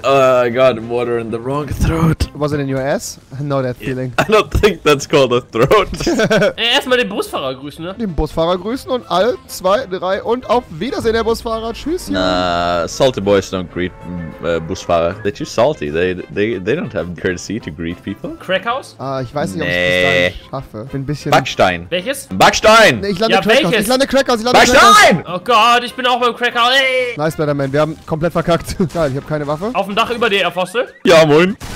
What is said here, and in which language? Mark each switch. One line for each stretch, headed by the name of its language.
English: I got water in the wrong throat. Was it in your ass? No, that feeling. I don't think that's called a throat.
German: Erstmal den Busfahrer grüßen, ne? Den Busfahrer grüßen und alle, 2, 3 und auf Wiedersehen, der Busfahrer. Tschüss.
English: Nah, salty boys don't greet Busfahrer. They're too salty. They don't have the courtesy to greet people.
German: Crackhaus? Ich weiß nicht, ob ich das gleich schaffe. Bin ein bisschen... Backstein. Welches? Backstein! Ich lande Crackhaus! Oh Gott, ich bin auch beim Crackhaus. Hey. Nice, Spider-Man. Wir haben komplett verkackt. Geil, ich habe keine Waffe. Auf dem Dach über dir, Apostel. Ja, moin.